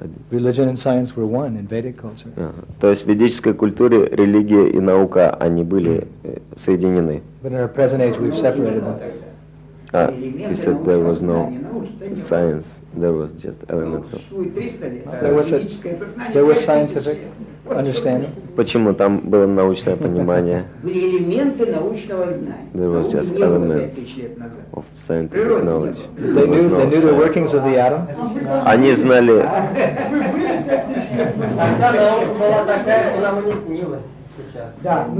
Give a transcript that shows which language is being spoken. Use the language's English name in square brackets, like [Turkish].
[English] Religion and science were one in Vedic culture. [Russian] То есть в ведической культуре религия и наука, они были соединены. [English] But in our present age, we've separated them. He said there was no science, there was just elements of science. There was scientific understanding. [Russian] Почему там было научное понимание? [English] There was just elements of scientific knowledge. They knew the workings of the atom? [Russian] Они знали. Тогда наука была такая, что нам и не снилось сейчас.